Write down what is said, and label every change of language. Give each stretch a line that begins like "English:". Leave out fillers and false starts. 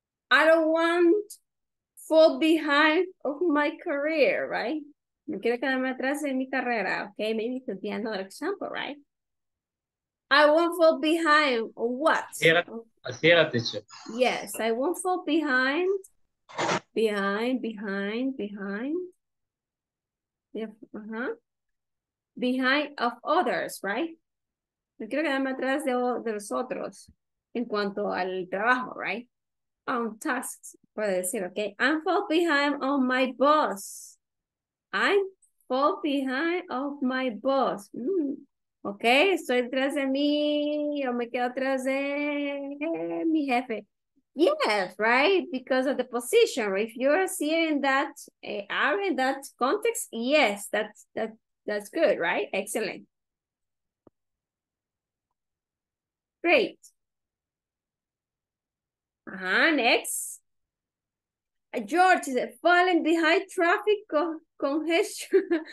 English: I don't want fall behind of my career, right?
Spanish: No quiero quedarme atrás de mi carrera, okay?
English: Maybe it could be another example, right? I won't fall behind what? Yes, I won't fall behind. Behind of others, right?
Spanish: No quiero quedarme atrás de los otros en cuanto al trabajo,
English: right? On tasks,
Spanish: puede decir,
English: okay? I'm fall behind on my boss. I fall behind of my boss.
Spanish: Okay, estoy detrás de mí, yo me quedo detrás de mi jefe.
English: Yes, right, because of the position. If you're seeing that, are in that context, yes, that's good, right? Excellent. Great. Next. George, is it falling behind traffic congestion?